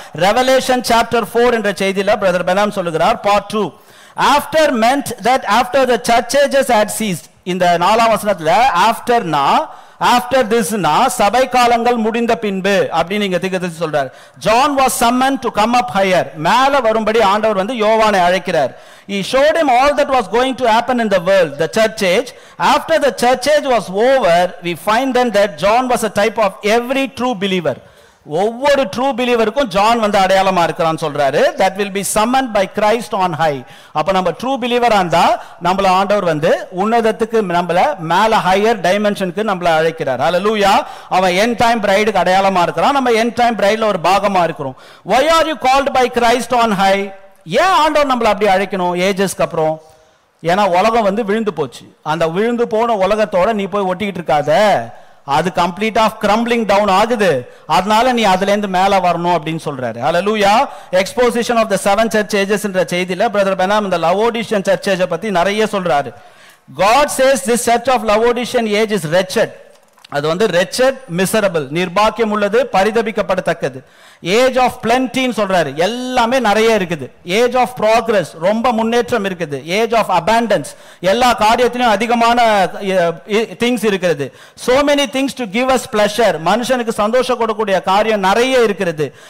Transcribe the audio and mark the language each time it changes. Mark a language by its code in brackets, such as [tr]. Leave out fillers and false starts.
[en] revelation chapter 4 [ta] என்ற செய்தியில [en] brother Branham [ta] சொல்லுகிறார், [en] Part 2, after meant that after the church ages had ceased. [ta] இந்த 4வது வசனத்துல ஆஃப்டர்னா, ஆஃப்டர் திஸ்னா சபை காலங்கள் முடிந்த பின்பு அப்படின்னு நீங்க திகதி சொல்றாரு. [en] John was summon to come up higher, [ta] மேல வரும்படி ஆண்டவர் வந்து யோவானை அழைக்கிறார். [en] He showed him all that was going to happen in the world, the church age. After the church age was over, we find then that John was a type of every true believer. [ta] ஒவ்வொரு true பிலீவருக்கும் John வந்து அடையாளமா இருக்கிறான்னு சொல்றாரு. [en] That will be summon by Christ on high. [ta] அப்ப நம்ம true பிலீவரா இருந்தா நம்மள ஆண்டவர் வந்து உன்னதத்துக்கு, நம்மள மேல ஹையர் டைமென்ஷனுக்கு நம்மள அழைக்கிறார். ஹல்லேலூயா. அவன் என் டைம் பிரைடுக்கு அடையாளமா இருக்கிறான், நம்ம என் டைம் பிரைட்ல ஒரு பாகமா இருக்கிறோம். [en] Why are you called by Christ on high? [ta] ஏன் ஆண்டவர் நம்மள அப்படி அழைக்கணும் ஏஜஸ்க்கு அப்புறம்? ஏனா உலகம் வந்து விழுந்து போச்சு. அந்த விழுந்து போன உலகத்தோட நீ போய் ஒட்டிக்கிட்டு இருக்காத, அது கம்ப்ளீட் ஆஃப் கிரம்பிளிங் டவுன் ஆகுது, அதனால நீ அதுல இருந்து மேல வரணும் அப்படின்னு சொல்றாரு. ஹல்லேலூயா. Exposition of the seven churches என்ற செய்தியில பிரதர் பெனாம் இந்த லவோடிஷன் சர்ச்சேஜ பத்தி நிறைய சொல்றாரு. [en] God says this church of Laodicean age is wretched. [ta] அது வந்து [en] wretched, miserable, [ta] நிர்பாக்கியம் உள்ளது, பரிதபிக்கப்படத்தக்கது. ஏஜ் ஆஃப் பிளென்டின்னு சொல்றாரு, எல்லாமே நிறைய இருக்குது. [en] age of progress, [ta] ரொம்ப முன்னேற்றம் இருக்குது. [en] age of abundance, [ta] எல்லா காரியத்திலையும் அதிகமான திங்ஸ் இருக்கிறது. [en] so many things to give us pleasure, [ta] மனுஷனுக்கு சந்தோஷம் கொடுக்கக்கூடிய காரியம் நிறைய இருக்கிறது.